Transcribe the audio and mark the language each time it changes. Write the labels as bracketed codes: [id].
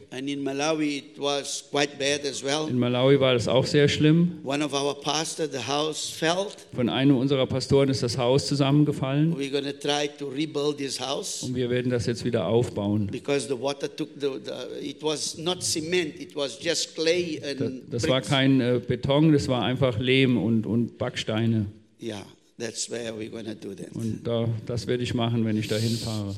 [en] And in Malawi it was quite bad as well. [de] In Malawi war das auch sehr schlimm. [en] One of our pastor, the house fell. [de] Von einem unserer Pastoren ist das Haus zusammengefallen. [en] We're gonna try to rebuild this house. [de] Und wir werden das jetzt wieder aufbauen. [en] Because the water took it was not cement, it was just clay and [de] das war kein Beton, das war einfach Lehm und Backsteine. [en] Ja. Yeah. That's where we're gonna do that. [de] Und da, das werde ich machen, wenn ich dahin fahre.